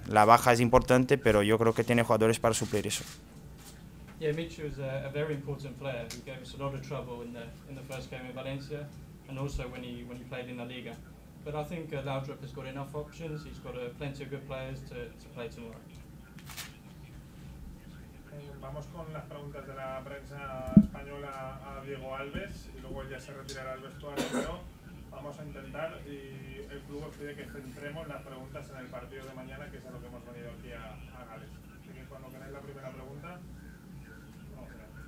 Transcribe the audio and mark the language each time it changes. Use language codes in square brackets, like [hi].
[es] La baja es importante, pero yo creo que tiene jugadores para suplir eso. [en] Yeah, Michu is a very important player. He gave us a lot of trouble in the first game in Valencia, and also when he played in La Liga. But I think Laudrup has got enough options. He's got plenty of good players to play tomorrow. [es] Vamos con las preguntas de la prensa española a Diego Alves y luego ya se retirará el vestuario, pero vamos a intentar y el club os pide que centremos las preguntas en el partido de mañana, que es a lo que hemos venido aquí a Gales. Así que cuando queráis la primera pregunta, vamos a ver.